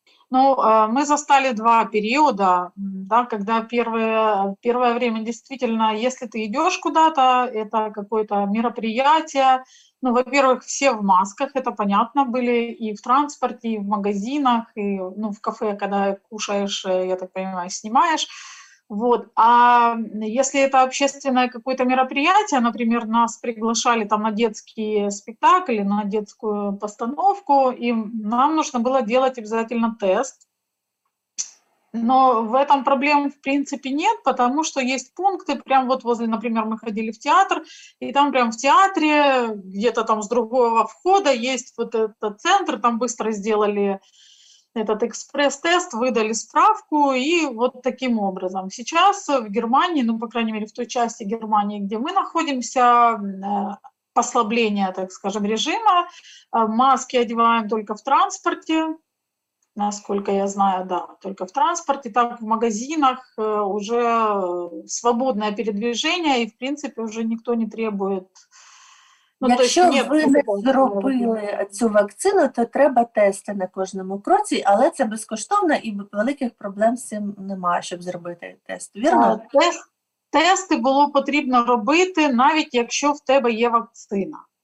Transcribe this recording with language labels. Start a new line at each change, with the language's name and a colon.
Ukrainian: Ну, ми застали два періоди, да, коли перше время дійсно, якщо ти йдеш куди-то, це якесь мероприятие, ну,
Russian: во-первых, все в масках, это понятно, были
Ukrainian: и в транспорті, і в магазинах, і, ну, в кафе, коли кушаєш,
Russian: я так понимаю,
Ukrainian: знімаєш.
Russian: Вот. А если это общественное какое-то мероприятие, например, нас приглашали там на детский спектакль, на детскую постановку, и нам нужно было делать обязательно тест. Но в этом проблем в принципе нет, потому что есть пункты, прям вот возле, например, мы ходили в театр, и там прям в театре, где-то там с другого входа есть вот этот центр, там быстро сделали этот экспресс-тест, выдали справку, и вот таким образом. Сейчас в Германии, ну, по крайней мере, в той части Германии, где мы находимся, послабление, так скажем, режима, маски одеваем только в транспорте, насколько я знаю, да, только в транспорте, так в магазинах уже свободное передвижение, и, в принципе, уже никто не требует.
Ukrainian: Ну, якщо то, ви не зробили цю вакцину, то треба тести на кожному кроці, але це безкоштовно і великих проблем з цим немає, щоб зробити тест. Вірно? Тести було потрібно робити, навіть якщо в тебе є вакцина.